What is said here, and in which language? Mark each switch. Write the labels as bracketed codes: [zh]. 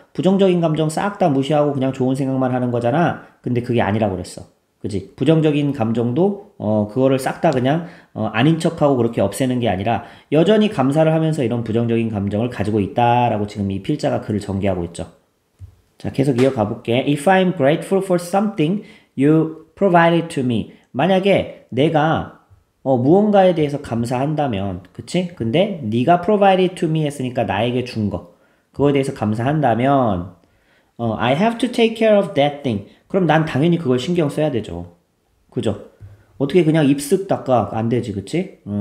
[ko] 부정적인 감정 싹다 무시하고 그냥 좋은 생각만 하는 거잖아. 근데 그게 아니라고 그랬어. 그지? 부정적인 감정도 그거를 싹다 그냥 아닌 척하고 그렇게 없애는 게 아니라 여전히 감사를 하면서 이런 부정적인 감정을 가지고 있다라고 지금 이 필자가 글을 전개하고 있죠. 자, 계속 이어가 볼게. [en] If I'm grateful for something you provided to me. [ko] 만약에 내가 무언가에 대해서 감사한다면, 그치? 근데 네가 [en] provided to me [ko] 했으니까 나에게 준 거. 그거에 대해서 감사한다면, [en] I have to take care of that thing. [ko] 그럼 난 당연히 그걸 신경 써야 되죠. 그죠? 어떻게 그냥 입쓱 닦아. 안 되지, 그치?